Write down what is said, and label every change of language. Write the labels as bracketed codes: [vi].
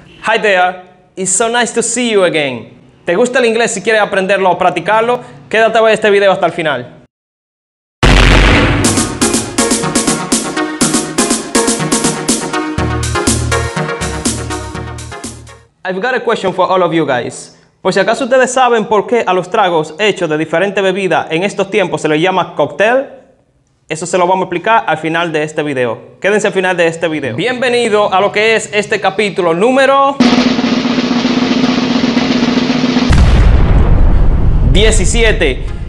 [en] Hi there, it's so nice to see you again. [es] ¿Te gusta el inglés? Si quieres aprenderlo o practicarlo, quédate a ver este video hasta el final. [en] I've got a question for all of you guys. [es] Pues si acaso ustedes saben por qué a los tragos hechos de diferente bebida en estos tiempos se les llama cóctel, eso se lo vamos a explicar al final de este video. Quédense al final de este video. Bienvenido a lo que es este capítulo número 17.